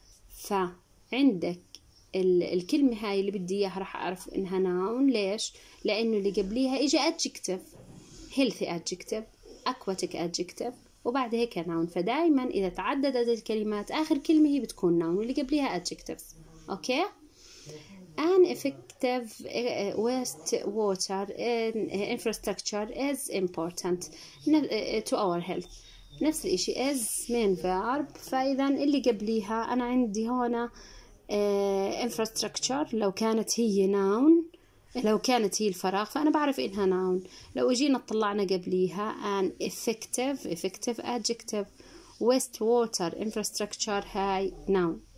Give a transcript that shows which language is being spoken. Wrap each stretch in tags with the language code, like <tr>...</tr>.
<ar>فعندك الكلمة هاي اللي بدي إياها رح أعرف إنها noun. ليش؟ لأنه اللي قبليها إجا adjective healthy adjective، aquatic adjective وبعدها كنون. فدائما إذا تعددت الكلمات آخر كلمة هي بتكون نون واللي قبلها adjective.</ar> <en>Okay? An effective wastewater infrastructure is important to our health.</en> <ar>نفس الإشي</ar> <en>is main verb.</en> <ar>فإذا اللي قبليها أنا عندي هنا infrastructure لو كانت هي noun لو كانت هي الفراغ فأنا بعرف إنها noun. لو أجينا طلعنا قبليها an effective adjective wastewater infrastructure هاي noun.</ar>